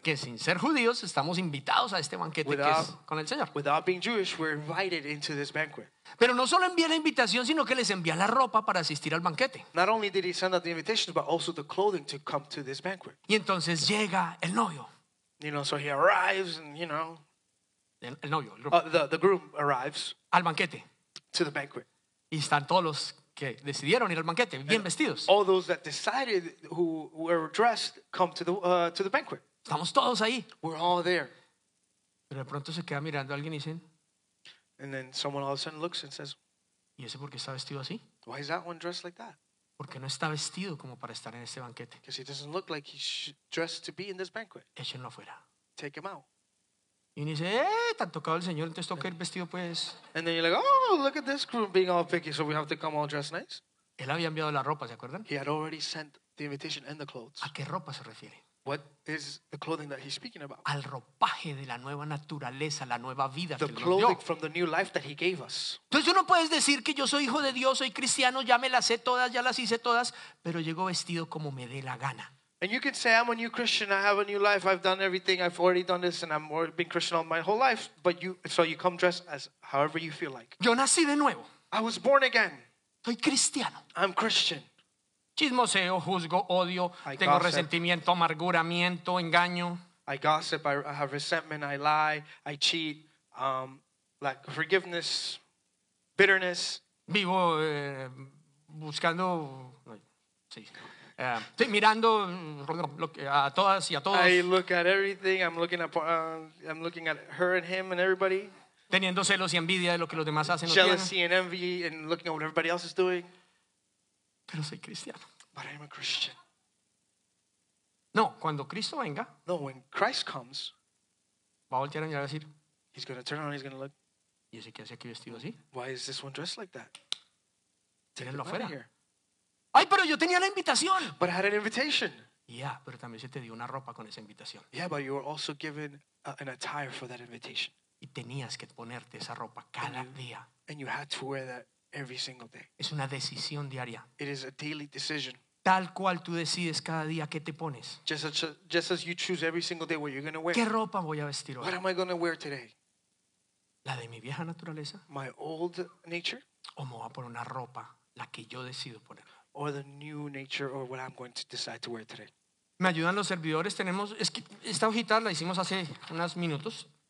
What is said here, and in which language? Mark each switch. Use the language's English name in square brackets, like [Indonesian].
[Spanish] Que sin ser judíos estamos invitados a este banquete que es con el Señor. [English] Without being Jewish, we're invited into this banquet. [Spanish] Pero no solo envía la invitación, sino que les envía la ropa para asistir al banquete. [English] Not only did he send out the invitations, but also the clothing to come to this banquet. [Spanish] Y entonces llega el novio. [English] You know, so he arrives, and you know, [Spanish] el novio, el [English] groom. The groom arrives [Spanish] al banquete. [English] To the banquet. [Spanish] Y están todos los que decidieron ir al banquete, bien [English] and [Spanish] vestidos. [English] All those that decided who were dressed come to the banquet. [Spanish] Estamos todos ahí. [English] We're all there. [Spanish] Pero de pronto se queda mirando a alguien y dicen. [English] And then someone all of a sudden looks and says. [Spanish] ¿Y ese por qué está vestido así? [English] Why is that one dressed like that? [Spanish] Porque no está vestido como para estar en este banquete. [English] Because he doesn't look like he's dressed to be in this banquet. [Spanish] Échenlo afuera. [English] Take him out. [Spanish] Y dice, te ha tocado el Señor, entonces toca el vestido, pues. [English] And then you're like, oh, look at this group being all picky, so we have to come all dressed nice. [Spanish] Él había enviado la ropa, ¿se acuerdan? [English] He had already sent the invitation and the clothes. [Spanish] ¿A qué ropa se refiere? [English] What is the clothing that he's speaking about? [Spanish] Al ropaje de la nueva naturaleza, la nueva vida que nos dio. [English] The clothing from the new life that he gave us. [Spanish] Entonces tú no puedes decir que yo soy hijo de Dios, soy cristiano, ya me las sé todas, ya las hice todas, pero llego vestido como me dé la gana. [English] And you can say, I'm a new Christian, I have a new life, I've done everything, I've already done this, and I've been Christian all my whole life. But you come dressed as however you feel like. [Spanish] Yo nací de nuevo. [English] I was born again. [Spanish] Soy cristiano. [English] I'm Christian. [Spanish] Chismoseo, juzgo, odio, I tengo gossip. Resentimiento, amargura, miento, engaño. [English] I gossip, I have resentment, I lie, I cheat, lack of forgiveness, bitterness. [Spanish] Vivo buscando. Sí. Estoy mirando a todas y a todos. [English] I look at everything. I'm looking at her and him and everybody. [Spanish] Teniendo celos y envidia de lo que los demás hacen. [English] Jealousy and envy and looking at what everybody else is doing. [Spanish] Pero soy cristiano. [English] But I'm a Christian. [Spanish] No, cuando Cristo venga. [English] No, when Christ comes. [Spanish] Va a voltear y va a decir. [English] He's going to turn around. He's going to look. [Spanish] ¿Y ese qué hace aquí vestido así? [English] Why is this one dressed like that? [Spanish] Tírenlo afuera. Ay, pero yo tenía la invitación. [English] But I had an invitation. [Spanish] Yeah, pero también se te dio una ropa con esa invitación. [English] Yeah, but you were also given an attire for that invitation. [Spanish] Y tenías que ponerte esa ropa cada día. [English] And you had to wear that every single day. [Spanish] Es una decisión diaria. [English] It is a daily decision. [Spanish] Tal cual tú decides cada día qué te pones. [English] Just as you choose every single day what you're going to wear. [Spanish] ¿Qué ropa voy a vestir hoy? [English] What am I going to wear today? [Spanish] ¿La de mi vieja naturaleza? [English] My old nature? [Spanish] ¿O me voy a poner una ropa la que yo decido poner? [English] Or the new nature or what I'm going to decide to wear today. [Spanish] ¿Me ayudan los servidores? Tenemos, es que esta hojita la hicimos hace unos minutos.